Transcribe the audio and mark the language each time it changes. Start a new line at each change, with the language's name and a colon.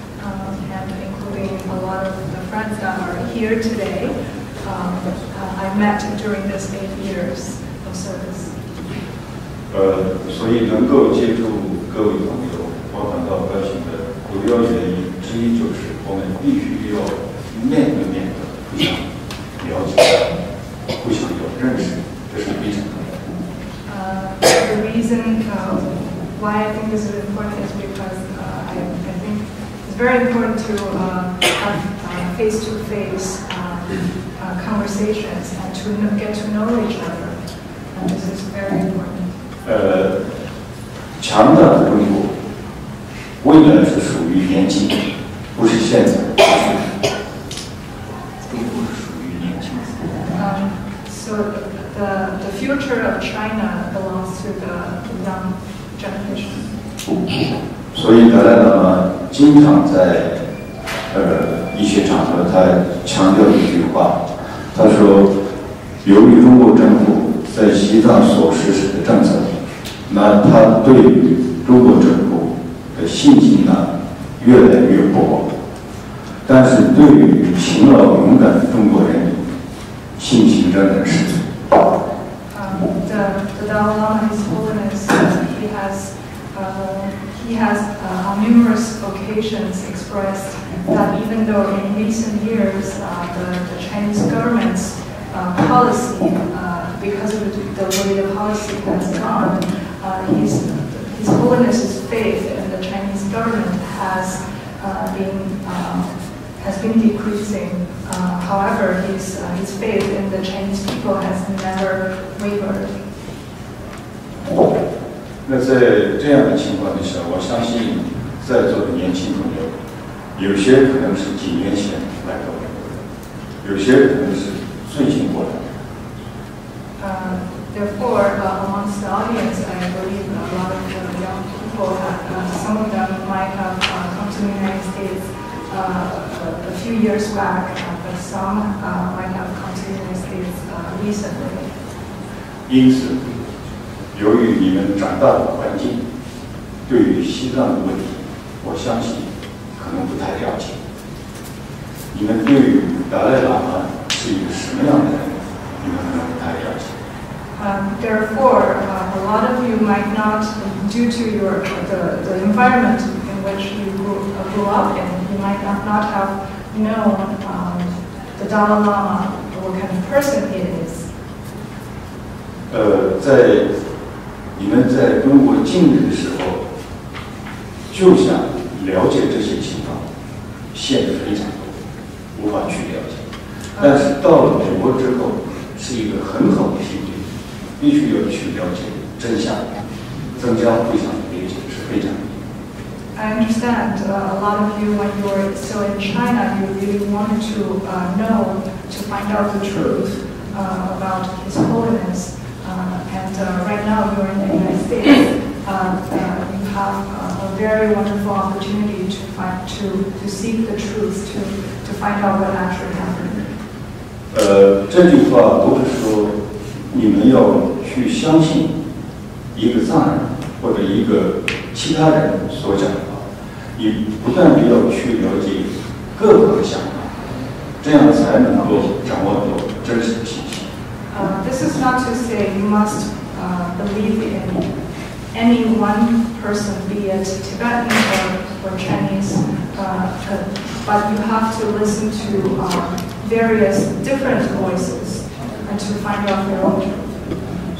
English: and including a lot of the friends that are here today, I met during this 8 years of service.
Chinese: 所以能够接触各位朋友，我感到高兴的主要原因之一就是我们必须要面对面的互相了解、互相有认识，这是非常重要的。
English: The reason why I think this is important is because I think it's very important to have face-to-face conversations and to get to know each other. And this is very important.
Chinese: 强大的中国未来是属于年轻人，不是现在，不是中国是属于年轻人。
English: So the future of China belongs to the young generation.
Chinese: 所以达赖喇嘛经常在一些场合他强调一句话，他说由于中国政府在西藏所实施的政策，那他对于中国政府的信心呢越来越薄，但是对于勤劳勇敢的中国人民信心仍然十足。
English: The Dalai Lama, His Holiness, he has on numerous occasions expressed that even though in recent years the Chinese government's policy, because of the way the policy has gone,His Holiness's faith in the Chinese government has been decreasing. However, his faith in the Chinese people has never wavered.
Chinese: 那在这样的情况底下，我相信在座的年轻朋友，有些可能是几年前来到美国的，有些可能是最近过来的。
English: Therefore, amongst the audience, I believe a lot of the young people, some of them might have come to the United States a few years back, but some might have come to the United States recently.
Chinese: 因此，由于你们长大的环境，对于西藏的问题，我相信可能不太了解。你们对于达赖喇嘛是一个什么样的人，你们可能不太了解。
English: Therefore, a lot of you might not, due to your, the environment in which you grew up in, you might not have known the Dalai Lama, what kind of person he is.
Chinese: 在你们在中国近日的时候，就想了解这些情况，限制非常多，无法去了解。但是到了美国之后，是一个很好的心理。必须要去了解真相，增加互相理解是非常重要。
English: I understand a lot of you when you were still in China, you really wanted to know to find out the truth about His Holiness. Right now you're in the United States. You have a very wonderful opportunity to seek the truth to find out what actually happened.
Chinese: 这句话不是说。你们要去相信一个藏人或者一个其他人所讲的话，你不断地要去了解各个的想法，这样才能够掌握很多真实的信息。
English: This is not to say you must believe in any one person, be it Tibetan or Chinese, but you have to listen to various different voices and to find out your own truth.